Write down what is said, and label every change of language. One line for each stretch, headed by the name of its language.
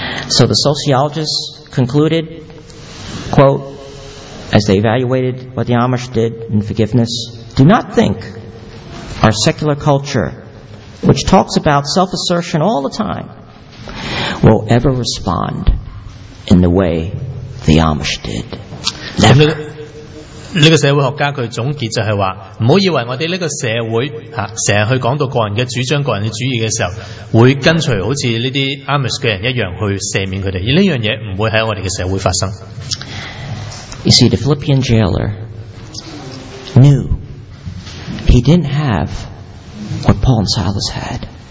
English: So the sociologists concluded, quote, as they evaluated what the Amish did in forgiveness, do not think our secular culture, which talks about self-assertion all the time, will ever respond in the way the Amish did. Never.
Chinese: 这个社会学家的总结就是说，不要以为我们这个社会，经常去讲到个人的主张，个人的主义的时候，会跟随好像这些Amish的人一样去赦免他们，而这件事不会在我们的社会发生。
English: You see, the Philippian jailer knew he didn't have what Paul and Silas had.